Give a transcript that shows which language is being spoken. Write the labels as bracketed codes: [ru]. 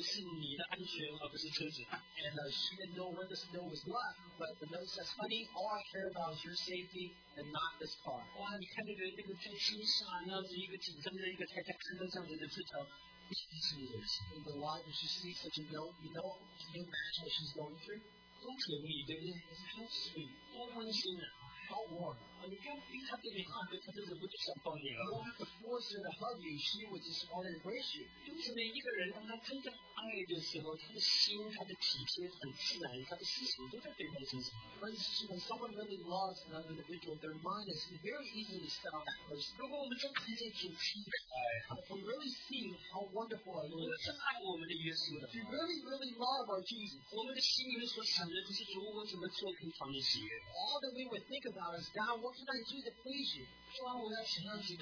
[zh] 也不知道他先生是不是留给他的。他说：“阿米，他说，亲爱的，他说我所在乎的是你的安全，而不是车子。” [en] And she didn't know where this note was left, but the note says, "Honey, all I care about is your safety and not this car." [zh] 哇，你看那个在车上那样子一个紧张的一个太太看到这样子的字条。 [en] The wife, does she see such a note? You know, can you imagine what she's going through? How sweet, how sweet, how warm. How warm. You can't beat her to the heart because she doesn't want to help you. You don't have to force her to hug you. She would just want to embrace you. [zh] 就是每一个人，当他真正爱的时候，他的心、他的体贴很自然，他的思想都在对方身上。 [en] When someone really loves another individual, their mind is very easy to set on that person. [zh] 如果我们真看见主，哎， [en] if we really see how wonderful our Lord is, [zh] 我们真爱我们的耶稣的话， [en] if we really, really love our Jesus, [zh] 我们的心里面所想的就是主，我怎么做可以讨你喜悦？ [en] All that we would think about is God, what can I do to please you?